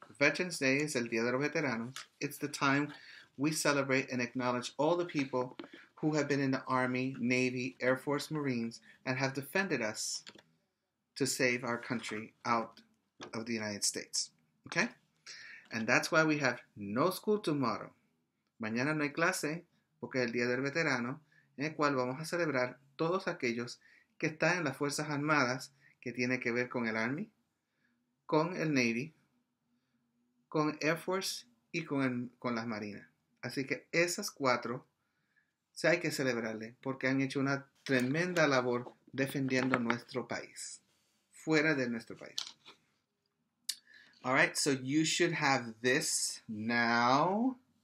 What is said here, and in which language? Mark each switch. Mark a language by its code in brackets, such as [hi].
[en] Veterans Day is [es] el Día de los Veteranos. [en] It's the time we celebrate and acknowledge all the people who have been in the Army, Navy, Air Force, Marines, and have defended us to save our country out of the United States. Okay? And that's why we have no school tomorrow. [es] Mañana no hay clase, porque es el Día del Veterano, en el cual vamos a celebrar todos aquellos que están en las Fuerzas Armadas, que tiene que ver con el Army, con el Navy, con Air Force y con las Marinas. Así que esas cuatro, sí hay que celebrarle, porque han hecho una tremenda labor defendiendo nuestro país, fuera de nuestro país. [en] All right, so you should have this now.